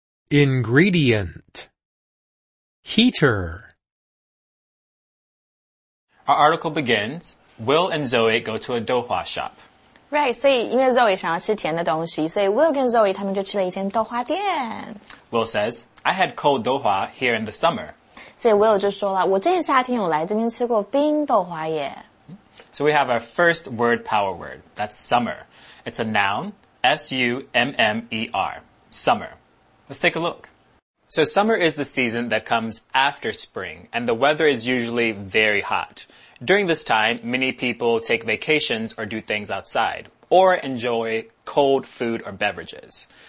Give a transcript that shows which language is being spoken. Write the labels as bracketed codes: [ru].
[en] Ingredient. Heater. Our article begins, Will and Zoe go to a douhua shop. [zh] Right, 所以因为 Zoe 想要吃甜的东西, 所以 Will 跟 Zoe 他们就去了一间豆花店. [en] Will says, I had cold douhua here in the summer. [zh] 所以 Will 就说了, 我这个夏天有来这边吃过冰豆花耶。 [en] So we have our first word power word. That's summer. It's a noun, S-U-M-M-E-R, summer. Let's take a look. So summer is the season that comes after spring, and the weather is usually very hot. During this time, many people take vacations or do things outside, or enjoy cold food or beverages.